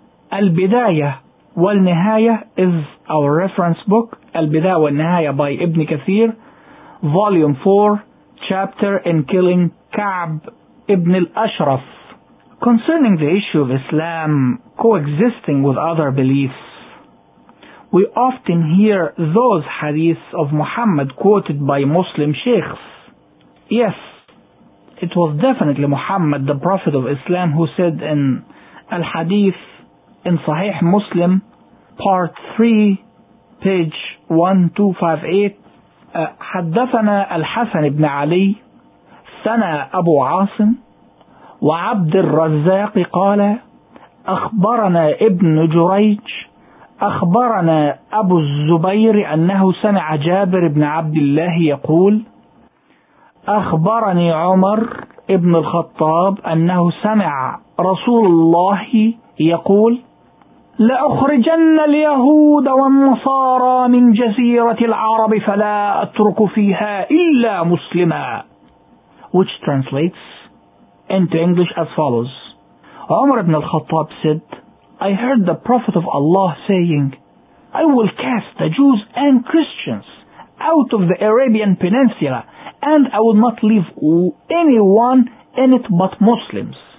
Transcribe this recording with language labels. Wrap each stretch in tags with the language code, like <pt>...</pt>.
<en>Al-Bidayah wal-Nihayah is our reference book, Al-Bidayah wal-Nihayah by Ibn Kathir, volume 4, chapter in killing Ka'b ibn al-Ashraf. Concerning the issue of Islam coexisting with other beliefs, we often hear those hadiths of Muhammad quoted by Muslim sheikhs. Yes, it was definitely Muhammad, the Prophet of Islam, who said in Al-Hadith in Sahih Muslim, part 3, page 1258,</en> <ar>حدثنا الحسن بن علي ثنى أبو عاصم وعبد الرزاق قال أخبرنا ابن جريج أخبرنا أبو الزبير أنه سمع جابر بن عبد الله يقول أخبرني عمر ابن الخطاب أنه سمع رسول الله يقول لأخرجن اليهود والنصارى من جزيرة العرب فلا أترك فيها إلا مسلما.</ar> <en>Which translates into English as follows. Umar ibn al-Khattab said, I heard the Prophet of Allah saying, I will cast the Jews and Christians out of the Arabian Peninsula, and I will not leave anyone in it but Muslims.</en>